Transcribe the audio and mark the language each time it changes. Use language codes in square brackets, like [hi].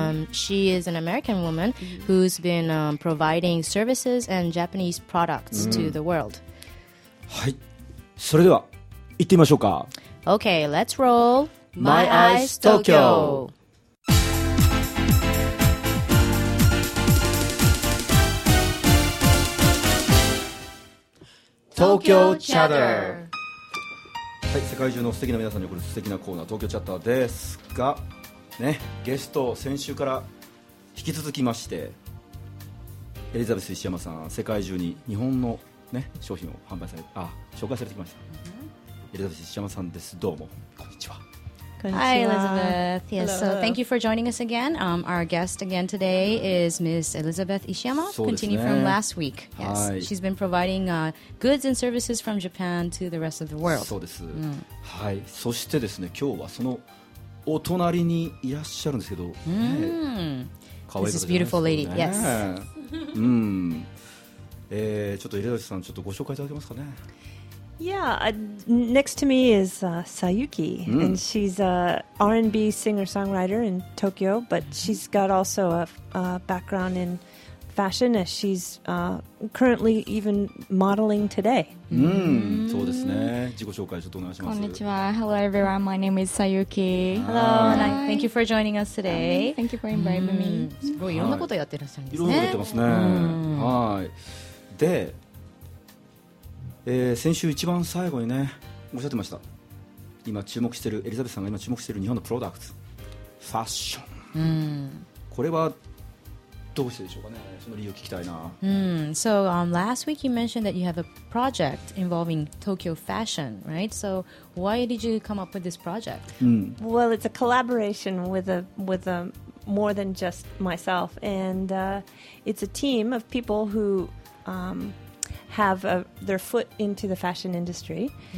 [en] She is an American woman who's been providing services and Japanese products to the world. [ja] はい、それでは行ってみましょうか。 [en] Okay, let's roll. My Eyes Tokyo. [ja] 東京チャッター、はい、世界中の素敵な皆さんに送る素敵なコーナー東京チャッターですが、ね、ゲスト先週から引き続きまして、エリザベス石山さん、世界中に日本の、ね、商品を販売され紹介されてきました、うん、エリザベス石山さんです、どうもこんにちは。 [en] Hi, Elizabeth. Yes, so thank you for joining us again. Our guest again today is Ms. Elizabeth Ishiyama, continuing from last week. Yes, she's been providing goods and services from Japan to the rest of the world. [ja] そうです。はい。そしてですね、今日はそのお隣にいらっしゃるんですけど、可愛いですね。 [en] This is beautiful lady. Yes. [ja] ちょっとエリザベスさん、ちょっとご紹介いただけますかね。 [en] Yeah, next to me is Sayuki, and she's a R&B singer-songwriter in Tokyo, but she's got also a background in fashion, as she's currently even modeling today. [ja] そうですね。自己紹介ちょっとお願いします。こんにちは。 [en] Hello, everyone. My name is Sayuki. Hello, and thank you for joining us today. Thank you for inviting me. [ja] すごい、いろんなことやってらっしゃるんですね。いろいろやってますね。はい。で、先週一番最後にね、おっしゃってました。今注目してる、エリザベスさんが今注目している日本のプロダクツ、ファッション。これはどうしてでしょうかね。その理由を聞きたいな。 [en] So, last week you mentioned that you have a project involving Tokyo fashion, right? So, why did you come up with this project? Well, it's a collaboration with a more than just myself. And it's a team of people who have a, their foot into the fashion industry.